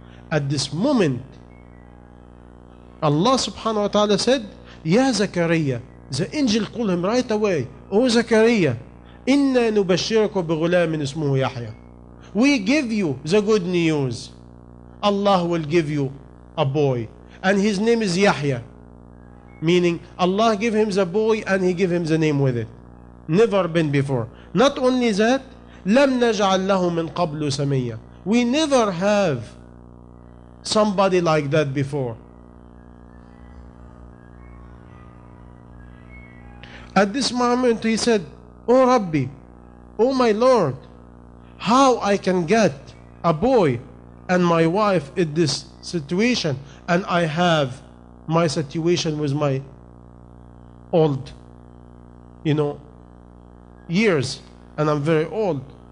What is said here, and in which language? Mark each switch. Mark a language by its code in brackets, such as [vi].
[en] At this moment, Allah subhanahu wa ta'ala said, Ya Zakaria, the angel called him right away, O Zakaria, [ar] إِنَّا نُبَشِّرَكُ بِغُلَامٍ اسْمُهُ يَحْيَى. [en] We give you the good news. Allah will give you a boy. And his name is Yahya. Meaning, Allah give him the boy and he give him the name with it. never been before. Not only that, [ar] لَمْ نَجْعَلْ لَهُ مِنْ قَبْلُ سَمِيَّةً. [en] We never have somebody like that before. At this moment he said, Oh Rabbi, Oh my Lord, how I can get a boy and my wife in this situation, and I have my situation with my old, you know, years, and I'm very old.